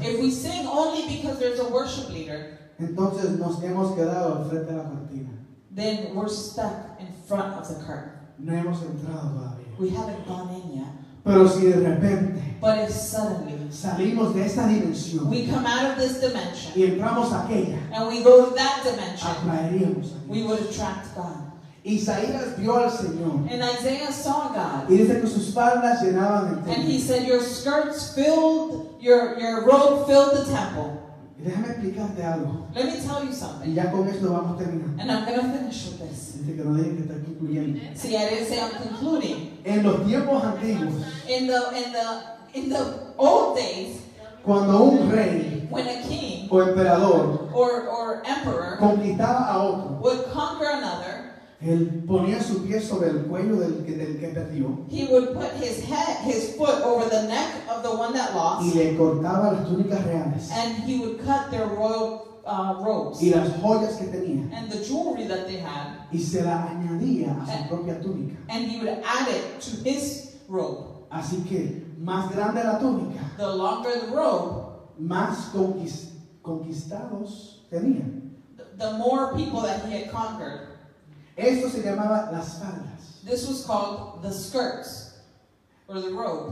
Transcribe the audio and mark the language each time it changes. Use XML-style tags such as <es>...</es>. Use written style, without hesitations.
<en>If we sing only because there's a worship leader.</en> <es>Entonces nos hemos quedado al frente de la cortina.</es> <en>Then we're stuck in front of the curtain.</en> <es>No hemos entrado todavía.</es> <en>We haven't gone in yet.</en> <es>Pero si de repente.</es> <en>But if suddenly.</en> <es>Salimos de esta dimensión.</es> <en>We come out of this dimension.</en> <es>Y entramos a aquella.</es> <en>And we go to that dimension.</en> <es>Atraeríamos a Dios.</es> <en>We would attract God.</en> <es>Isaías vio al Señor.</es> <en>And Isaiah saw God.</en> <es>Y dice que sus faldas llenaban el templo.</es> <en>And he said your skirts filled, your robe filled the temple.</en> <es>Déjame explicarte algo.</es> <en>Let me tell you something.</en> <es>Y ya con esto vamos a terminar.</es> <en>And I'm going to finish with this.</en> <es>Dice que no dije que está concluyendo.</es> <en>See, I didn't say I'm concluding.</en> <es>En los tiempos antiguos.</es> <en>In the old days.</en> <es>Cuando un rey.</es> <en>When a king.</en> <es>O emperador.</es> <en>Or emperor.</en> <es>Conquistaba a otro.</es> <en>Would conquer another.</en> <es>Él ponía su pie sobre el cuello del que perdió.</es> <en>He would put his foot over the neck of the one that lost.</en> <es>Y le cortaba las túnicas reales.</es> <en>And he would cut their royal robes.</en> <es>Y las joyas que tenía.</es> <en>And the jewelry that they had.</en> <es>Y se la añadía a su propia túnica.</es> <en>And he would add it to his robe.</en> <es>Así que más grande la túnica.</es> <en>The longer the robe.</en> <es>Más conquistados tenía.</es> <en>The more people that he had conquered.</en> <es>Esto se llamaba las faldas.</es> <en>This was called the skirts or the robe.</en>